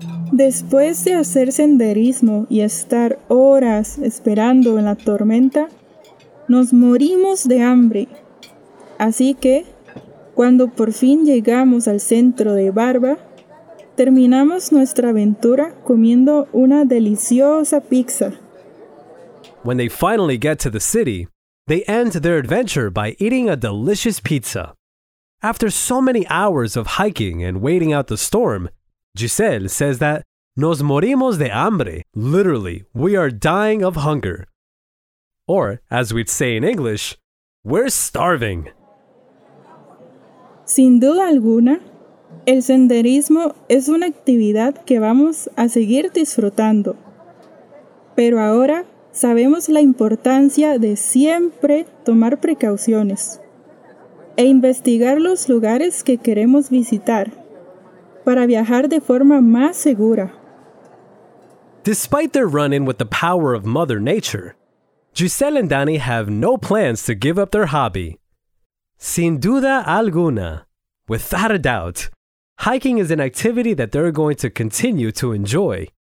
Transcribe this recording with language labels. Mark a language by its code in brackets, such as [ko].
[es] Después de hacer senderismo y estar horas esperando en la tormenta, nos morimos de hambre. Así que, cuando por fin llegamos al centro de Barva, terminamos nuestra aventura comiendo una deliciosa pizza. [en] When they finally get to the city, they end their adventure by eating a delicious pizza. After so many hours of hiking and waiting out the storm, Giselle says that [es] nos morimos de hambre. [en] Literally, we are dying of hunger. Or, as we'd say in English, we're starving. [es] Sin duda alguna, el senderismo es una actividad que vamos a seguir disfrutando. Pero ahora sabemos la importancia de siempre tomar precauciones e investigar los lugares que queremos visitar para viajar de forma más segura. [en] Despite their run-in with the power of Mother Nature, Giselle and Dani have no plans to give up their hobby. [es] Sin duda alguna, [en] without a doubt, hiking is an activity that they're going to continue to enjoy.